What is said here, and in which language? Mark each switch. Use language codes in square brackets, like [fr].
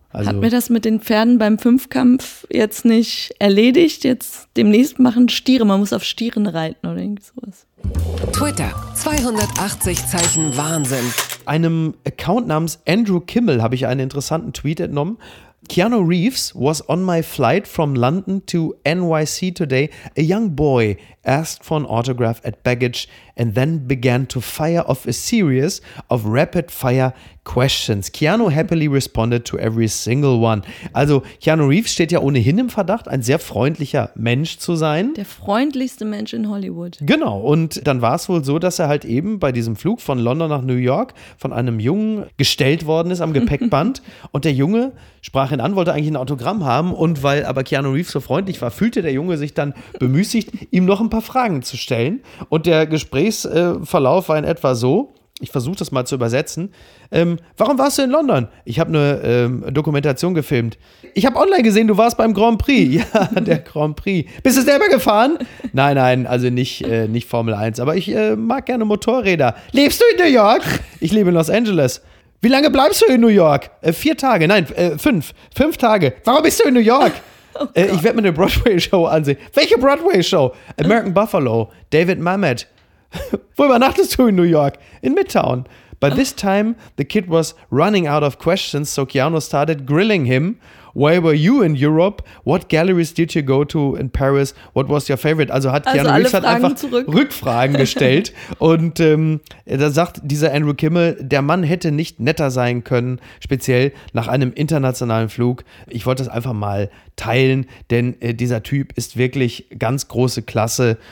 [de] Also, hat mir das mit den Pferden beim Fünfkampf jetzt nicht erledigt? Jetzt demnächst machen Stiere, man muss auf Stieren reiten oder irgend sowas. Twitter, 280 Zeichen Wahnsinn. Einem Account namens Andrew Kimmel habe ich einen interessanten Tweet entnommen. [en] Keanu Reeves was on my flight from London to NYC today. A young boy asked for an autograph at baggage and then began to fire off a series of rapid fire questions. Keanu happily responded to every single one. [de] Also Keanu Reeves steht ja ohnehin im Verdacht, ein sehr freundlicher Mensch zu sein. Der freundlichste Mensch in Hollywood. Genau, und dann war es wohl so, dass er halt eben bei diesem Flug von London nach New York von einem Jungen gestellt worden ist am Gepäckband und der Junge sprach ihn an, wollte eigentlich ein Autogramm haben und weil aber Keanu Reeves so freundlich war, fühlte der Junge sich dann bemüßigt, ihm noch ein paar Fragen zu stellen und der Gesprächsverlauf war in etwa so, ich versuche das mal zu übersetzen. Warum warst du in London? Ich habe eine Dokumentation gefilmt. Ich habe online gesehen, du warst beim Grand Prix. Ja, der Grand Prix. Bist du selber gefahren? Nein, also nicht Formel 1, aber ich mag gerne Motorräder. Lebst du in New York? Ich lebe in Los Angeles. Wie lange bleibst du in New York? 4 Tage, fünf. 5 Tage. Warum bist du in New York? Ich werde mir eine Broadway-Show ansehen. Welche Broadway-Show? American Buffalo, David Mamet. Wo übernachtest du in New York? In Midtown. [en] By this time, the kid was running out of questions, so Keanu started grilling him. Where were you in Europe? What galleries did you go to in Paris? What was your favorite? [de] Also hat Keanu Reeves hat einfach Rückfragen gestellt. Und da sagt dieser Andrew Kimmel, der Mann hätte nicht netter sein können, speziell nach einem internationalen Flug. Ich wollte das einfach mal teilen, denn dieser Typ ist wirklich ganz große Klasse.